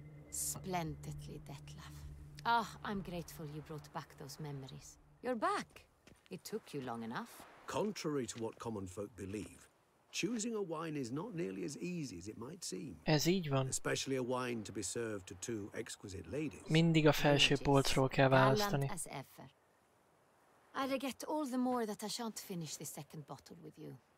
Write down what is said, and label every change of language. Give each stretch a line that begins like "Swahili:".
English: Splendidly, Detlaf. Ah, I'm grateful you brought back those memories. You're back. It took you long enough. Contrary to what common folk believe, choosing a wine is not nearly as easy as it might seem.
Hungarian: Ez így van.
English: Especially a wine to be served to two exquisite ladies.
Hungarian: Mindig a felső polcról kell választani.
English: As ever. I regret all the more that I shan't finish the second bottle with you.